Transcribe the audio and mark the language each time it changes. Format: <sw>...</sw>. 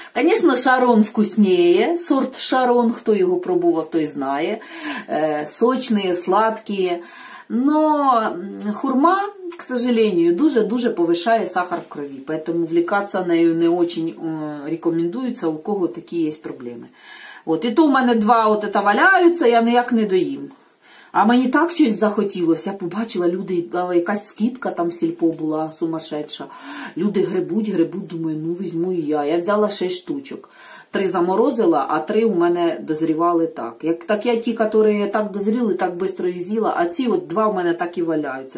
<uk>Звісно, шарон вкусніє, сорт шарон, хто його пробував, той знає. Сочний, сладкий.</uk> <ru>Но хурма, к сожалению,</ru> <uk>дуже-дуже</uk> <ru>повышает сахар в крови. Поэтому влекаться на нее не очень рекомендуется, у кого такие есть проблемы. Вот, и то у меня два вот это валяются, я никак не доїм.</ru> <uk>А мені так щось захотілося, я побачила, люди, якась скидка там сільпо була сумасшедша. Люди грибуть, думаю, ну візьму і я. Я взяла 6 штучок. 3 заморозила, а 3 у мене дозрівали так. Як, так я ті, які так дозріли, так швидко їх з'їла, а ці от 2 у мене так і валяються.</uk>